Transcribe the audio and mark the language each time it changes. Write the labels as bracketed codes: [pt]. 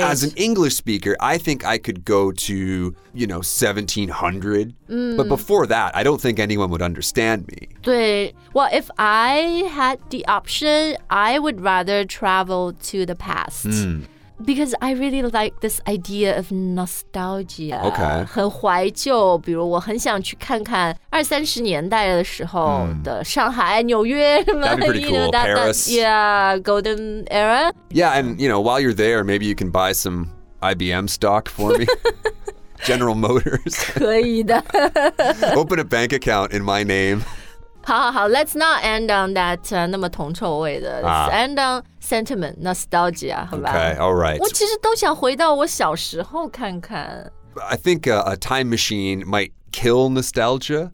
[en] As an English speaker, I think I could go to, you know, 1700. But before that, I don't think anyone would understand me. [zh] 对 [en] Well, if I had the option, I would rather travel to the past. Because I really like this idea of nostalgia. Okay. [zh] 很怀旧，比如我很想去看看二三十年代的时候的上海、纽约什么。 [en] That'd be pretty cool. Paris. Yeah, golden era. Yeah, and you know, while you're there, maybe you can buy some IBM stock for me. General Motors. [zh] 可以的。 [en] Open a bank account in my name. [zh] 好好好 [en] ,let's not end on that [zh] 那么铜臭味的 [en] Let's end on sentiment, nostalgia, [zh] 好吧 [en] Okay, all right. [zh] 我其实都想回到我小时候看看 [en] I think a time machine might kill nostalgia.